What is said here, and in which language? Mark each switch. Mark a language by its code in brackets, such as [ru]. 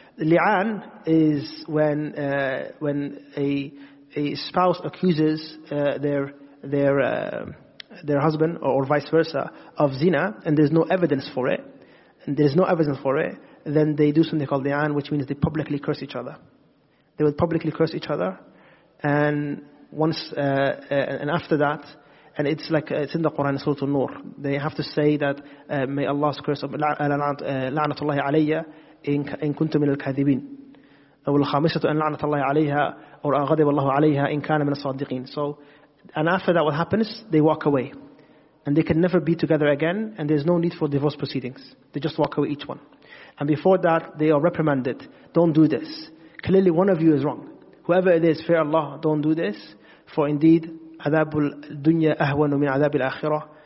[en] Li'an is when a spouse accuses their husband or vice versa of zina, and there's no evidence for it, then they do something called li'an, which means they publicly curse each other. They will publicly curse each other, and after that, and it's like it's in the Quran, Surah An-Nur. They have to say that may Allah's curse of [ar] la'natullahi alayya. إن كنت من الكاذبين أو الخامسة أن لعنة الله عليها أو غضب الله عليها إن كان من الصادقين. [en] So, and after that, what happens? They walk away, and they can never be together again, and there's no need for divorce proceedings. They just walk away, each one. And before that, they are reprimanded. Don't do this. Clearly, one of you is wrong. Whoever it is, fear Allah, don't do this. For indeed, [ar] عَذَابُ الدُّنْيَا أَهْوَنُ مِنْ عَذَابِ الْآخِرَةِ.